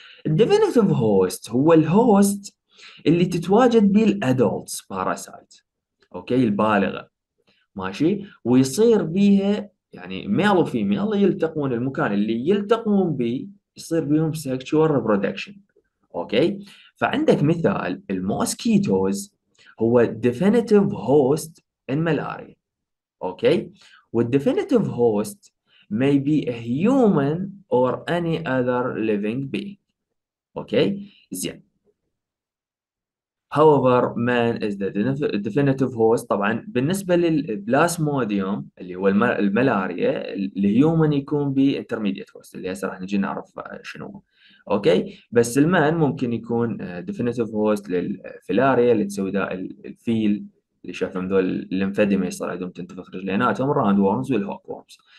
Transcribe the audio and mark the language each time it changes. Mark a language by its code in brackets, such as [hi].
[ar] الديفينيتيف هوست هو الهوست اللي تتواجد بيه الادولتس باراسايت، اوكي، البالغه، ماشي، ويصير بيه يعني ميل وفيميل يلتقون، المكان اللي يلتقون بيه يصير بيهم سكشوال ريبرودكشن. اوكي، فعندك مثال الموسكيتوز هو ديفينيتيف هوست ان ملاريا. [en] okay, [ar] والديفينيتيف هوست [en] may be a human or any other living being. Okay, زين. However, man is the definitive host. [ar] طبعا بالنسبة للبلاسموديوم اللي هو الملاريا، الهيومن يكون بي intermediate host اللي هسه راح نجي نعرف شنو. Okay, بس المان ممكن يكون definitive host للفيلاريا اللي تسوي ذا الفيل اللي شافهم ذول الليمفيديما يصير عندهم تنتفخ رجليناتهم، الراوند وورمز والهوك وورمز.